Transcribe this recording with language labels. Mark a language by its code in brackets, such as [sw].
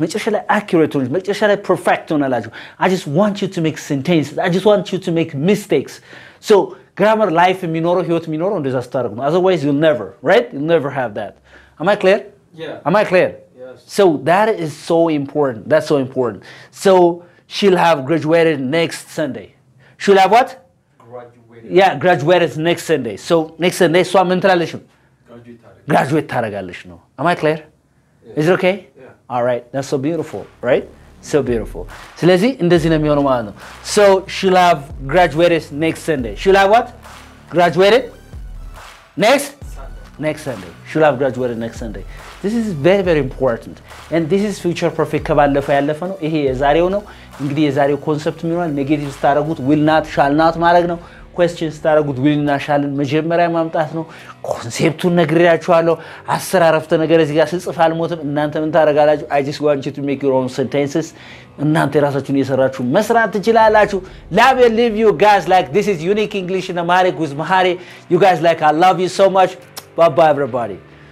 [am] መጨረሻ accurate ሆነ መጨረሻ perfect ሆነ አላችሁ. [en] I just want you to make sentences. I just want you to make mistakes. So grammar, life, [am] ሚኖረው ህይወት ሚኖረው እንደዛ ስታደርጉ ነው. [en] Otherwise, you'll never, right? You'll never have that. Am I clear? Yeah. Am I clear? Yes. So that is so important. That's so important. So she'll have graduated next Sunday. She'll have what? Yeah, graduated next Sunday. So next Sunday, so I'm in tradition. Graduate [am] taragalish. [en] No. Am I clear? Yeah. Is it okay? Yeah. All right. That's so beautiful, right? So beautiful. So let's see. So she'll have graduated next Sunday. She'll have what? Graduated? Next? Sunday. Next Sunday. She'll have graduated next Sunday. This is very, very important. And this is future perfect. [am] ካባለፈ ያለፈ ነው. ይሄ የዛሬው ነው. እንግዲህ የዛሬው ኮንሰፕት ምንዋል? ኔጌቲቭ ስታረጉት [en] will not, shall not [am] ማድረግ ነው. questions ታረጉት will እና shall መጀመሪያ ማምጣት ነው. ኮንሴፕቱን ነግሬያችኋለሁ. አሰራረፍተ ነገር እዚህ ጋር ስጽፍ አልሞትም. እናንተ ምን ታረጋላችሁ? [en] I just want you to make your own sentences. [am] እናንተ ራሳችሁን እየሰራችሁ መስራት ትችላላችሁ. [en] Love and leave you guys like this is unique English in Amharic with Mahari. You guys like I love you so much. Bye bye everybody.